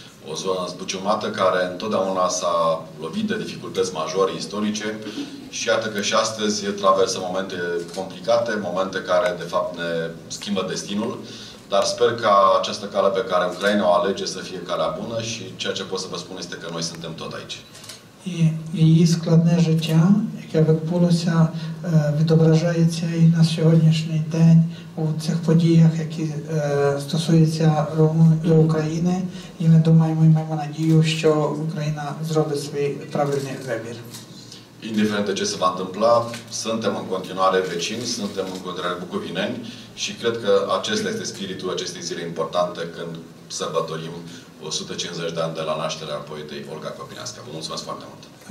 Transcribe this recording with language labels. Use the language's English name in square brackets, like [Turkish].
[Romanian] O zonă zbuciumată care întotdeauna s-a lovit de dificultăți majore istorice și iată că și astăzi traversă momente complicate, momente care de fapt ne schimbă destinul, dar sper ca această cale pe care Ucraina o alege să fie calea bună și ceea ce pot să vă spun este că noi suntem tot aici. [Ukrainian] Її складне життя, яке відбулося, відображається і на сьогоднішній день у цих подіях, які стосуються України. І ми думаємо, і маємо надію, що Україна зробить свій правильний вибір. [Romanian] Indiferent de ce se va întâmpla, suntem în continuare vecini, suntem în continuare bucovineni și cred că acesta este spiritul acestei zile importante când sărbătorim 150 de ani de la nașterea poetei Olga Kobilanskaya. Vă mulțumesc foarte mult!